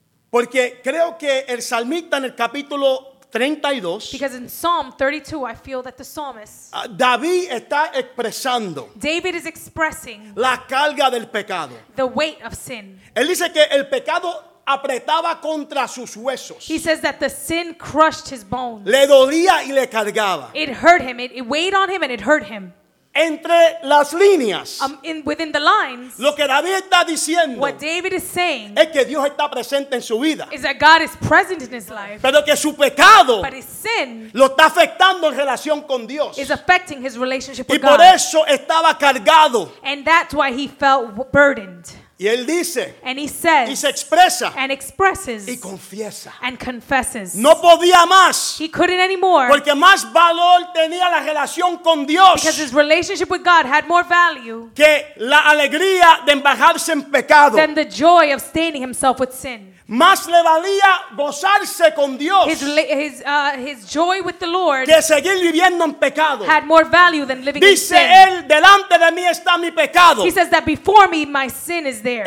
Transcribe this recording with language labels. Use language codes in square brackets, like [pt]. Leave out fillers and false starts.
[es] Porque creo que el salmista en el capítulo 32. [en] Because in Psalm 32, I feel that the psalmist. [es] David está expresando. [en] David is expressing. [es] La carga del pecado. [en] The weight of sin. [es] Él dice que el pecado apretaba contra sus huesos. [en] He says that the sin crushed his bones. [es] Le dolía y le cargaba. [en] It hurt him. It weighed on him and it hurt him. [es] Entre las líneas. [en] Within the lines. [es] Lo que David está diciendo. [en] What David is saying. [es] Es que Dios está presente en su vida. [en] Is that God is present in his life. [es] Pero que su pecado. [en] But his sin. [es] Lo está afectando en relación con Dios. [en] Is affecting his relationship with [es] God. Y por eso estaba cargado. [en] And that's why he felt burdened. [es] Y él dice. [en] And he says. [es] Y se expresa. [en] And expresses. [es] Y confiesa. [en] And confesses. [es] No podía más. [en] He couldn't anymore. [es] Porque más valor tenía la relación con Dios. [en] Because his relationship with God had more value. [es] Que la alegría de embajarse en pecado. [en] Than the joy of staining himself with sin. [es] Más le valía gozarse con Dios. [en] His joy with the Lord. [es] Que seguir viviendo en pecado. [en] Had more value than living [es] Dice [en] in sin. [es] Dice él, delante de mí está mi pecado. [en] He says that before me my sin is there.